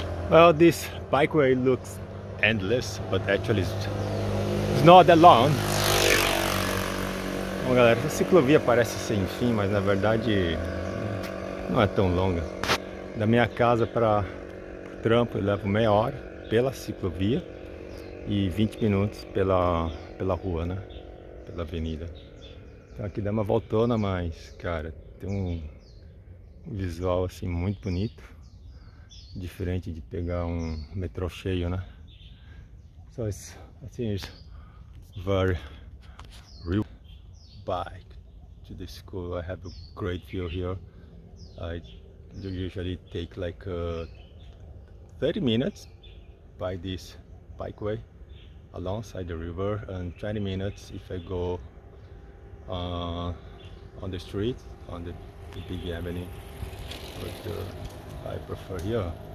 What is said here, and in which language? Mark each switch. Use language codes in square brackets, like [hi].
[en] Well, this bikeway looks endless, but actually it's not that long. [pt] Bom, galera, essa ciclovia parece sem fim, mas na verdade não é tão longa. Da minha casa para o trampo eu levo meia hora pela ciclovia e 20 minutos pela rua, né? Pela avenida. Então aqui dá uma voltona, mas, cara, tem um visual assim muito bonito. Diferente de pegar um metrô cheio, né? [en] So it's, I think it's very real bike to the school. I have a great view here. I usually take like 30 minutes by this bikeway alongside the river, and 20 minutes if I go on the street, on the big avenue, which I prefer here.